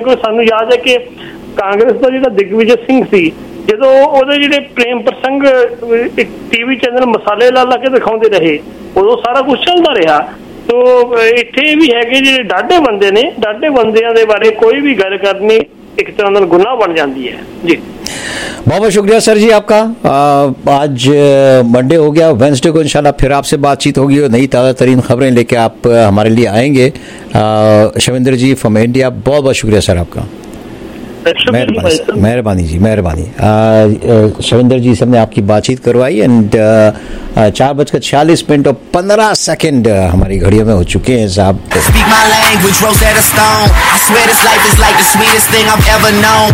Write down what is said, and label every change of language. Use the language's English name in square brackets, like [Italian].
[Punjabi] ਕਿਉਂਕਿ ਸਾਨੂੰ ਯਾਦ ਹੈ ਕਿ ਕਾਂਗਰਸ ਦਾ ਜਿਹੜਾ ਦਿਗਵਿਜੇ ਸਿੰਘ ਸੀ ਜਦੋਂ ਉਹਦੇ ਜਿਹੜੇ ਪ੍ਰੇਮ ਪ੍ਰਸੰਗ ਇੱਕ ਟੀਵੀ ਚੈਨਲ ਮਸਾਲੇ ਲਾ ਲਾ ਕੇ ਦਿਖਾਉਂਦੇ ਰਹੇ ਉਦੋਂ ਸਾਰਾ ਕੁਛ ਚੱਲਦਾ ਰਿਹਾ। ਸੋ ਇੱਥੇ ਵੀ ਹੈਗੇ ਜਿਹੜੇ ਡਾਢੇ ਬੰਦੇ ਨੇ, ਡਾਢੇ ਬੰਦਿਆਂ ਦੇ ਬਾਰੇ ਕੋਈ ਵੀ ਗੱਲ ਕਰਨੀ ਇੱਕ ਤਰ੍ਹਾਂ ਨਾਲ ਗੁਨਾਹ ਬਣ ਜਾਂਦੀ ਹੈ ਜੀ। [Hindi] बहुत बहुत शुक्रिया सर जी आपका। आज मंडे हो गया, वेंसडे को इंशाल्लाह फिर आपसे बातचीत होगी और नई ताज़ा तरीन खबरें लेके आप हमारे लिए आएंगे। शविंदर जी फ्रॉम इंडिया, बहुत बहुत शुक्रिया सर आपका। मेहरबानी जी, मेहरबानी। शविंदर जी से हमने आपकी बातचीत करवाई एंड 4:46:15 हमारी घड़ियों में हो चुके हैं साहब। [English] Speak my language, Rosetta Stone. I swear this life is like the sweetest thing I've ever known.